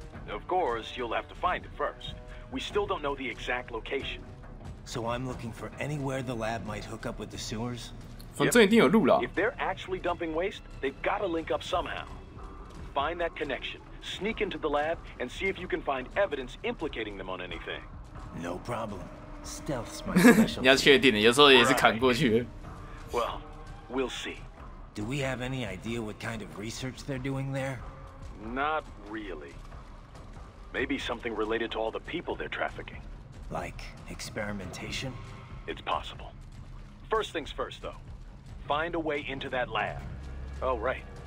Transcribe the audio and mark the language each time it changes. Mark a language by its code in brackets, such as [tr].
[en] Of course, you'll have to find it first. We still don't know the exact location. So I'm looking for anywhere the lab might hook up with the sewers? Yep. If they're actually dumping waste, they've got to link up somehow. Find that connection, sneak into the lab, and see if you can find evidence implicating them on anything. No problem. Stealth's my special. [zh] 你要确定的，有时候也是砍过去。 [en] Well, we'll see. Do we have any idea what kind of research they're doing there? Not really. Maybe something related to all the people they're trafficking. Like experimentation? It's possible. First things first, though. Find a way into that lab. Oh, right.